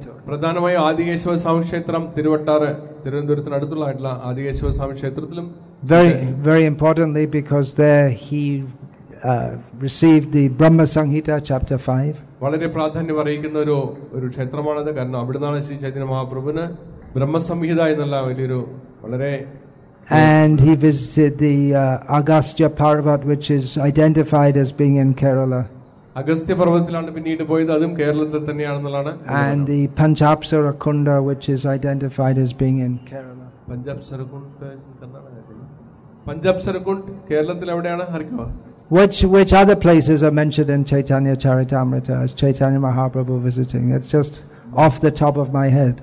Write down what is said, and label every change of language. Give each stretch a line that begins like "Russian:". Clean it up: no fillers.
Malayalam: പ്രധാനമായ ആദികേശവ സ്വാമി ക്ഷേത്രം തിരുവട്ടാറ് തിരുവനന്തപുരത്തിനടുത്തുള്ളതായിട്ടുള്ള ആദികേശവ സ്വാമി ക്ഷേത്രത്തിലും
English: very importantly because there he received the Brahma Sanghita chapter 5
Malayalam: വളരെ പ്രാധാന്യം അർഹിക്കുന്ന ഒരു ക്ഷേത്രമാണത് കാരണം അവിടുന്നാണ് ശ്രീ ചൈതന്യ മഹാപ്രഭുവിന് ബ്രഹ്മസംഹിത എന്നുള്ള വലിയൊരു വളരെ
English: And he visited the Agastya Parvat which is identified as being in Kerala
Malayalam: Agastya പർവ്വതത്തിലാണ് പിന്നീട് പോയത് അതും കേരളത്തിൽ തന്നെയാണെന്നുള്ളതാണ്
English: And the Panchapsara Kunda which is identified as being in Kerala Panchapsara Kunda is in Karnataka Panchapsara Kunda
Malayalam: കേരളത്തിൽ എവിടെയാണ് ഹരിക്കോ
English: which other places are mentioned in Chaitanya Charitamrita as Chaitanya Mahaprabhu visiting it's just off the top of my head